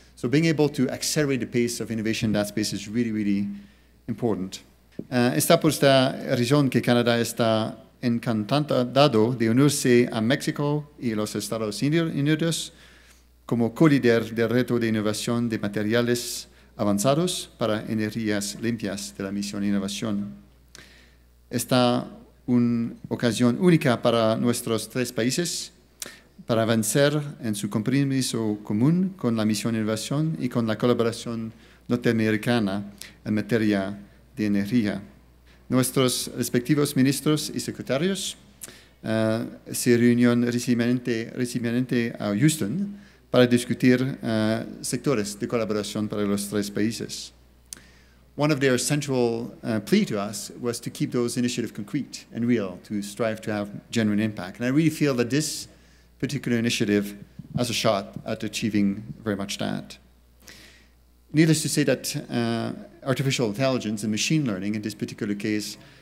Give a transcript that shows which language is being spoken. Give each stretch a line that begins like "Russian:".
English: So being able to accelerate the pace of innovation in that space is really, really important.
Spanish: Esta por esta razón que Canadá está encantado de unirse a México y los Estados Unidos como co-líder del reto de innovación de materiales avanzados para energías limpias de la misión Innovación. Esta una ocasión única para nuestros tres países para avanzar en su compromiso común con la misión Innovación y con la colaboración norteamericana en materia de energía. Nuestros respectivos ministros y secretarios se reunieron recientemente a Houston para discutir sectores de colaboración para los tres países.
English: One of their central plea to us was to keep those initiatives concrete and real, to strive to have genuine impact. And I really feel that this particular initiative has a shot at achieving very much that. Needless to say that artificial intelligence and machine learning in this particular case